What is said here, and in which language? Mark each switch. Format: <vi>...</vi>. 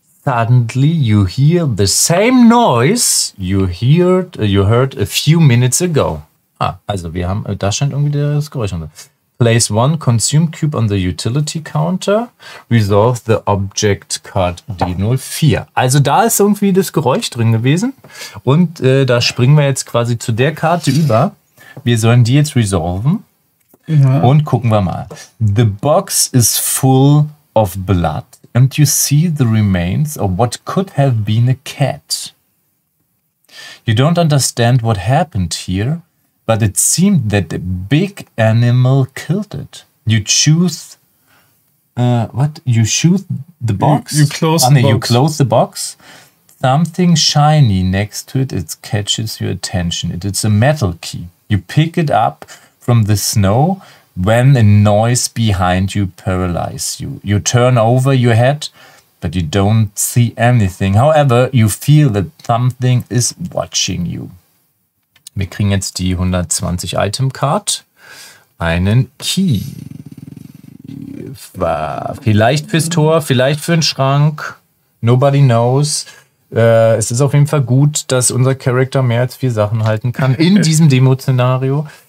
<en>Suddenly you hear the same noise you heard a few minutes ago.</en> <de>Ah, also wir haben, da scheint irgendwie das Geräusch an.</de> <en>Place one consumed cube on the utility counter. Resolve the object card D04.</en> <de>Also da ist irgendwie das Geräusch drin gewesen. Und da springen wir jetzt quasi zu der Karte über. Wir sollen die jetzt resolven. Ja. Und gucken wir mal.</de> <en>The box is full of blood. And you see the remains of what could have been a cat. You don't understand what happened here. But it seemed that a big animal killed it. You choose. What? You shoot the box? You close the box. Something shiny next to it, it catches your attention. It's a metal key. You pick it up from the snow when a noise behind you paralyzes you. You turn over your head, but you don't see anything. However, you feel that something is watching you.</en> <de>Wir kriegen jetzt die 120 Item Card, einen Key. Vielleicht fürs Tor, vielleicht für den Schrank.</de> <en>Nobody knows.</en> <de>Es ist auf jeden Fall gut, dass unser Charakter mehr als 4 Sachen halten kann in diesem Demo-Szenario.</de>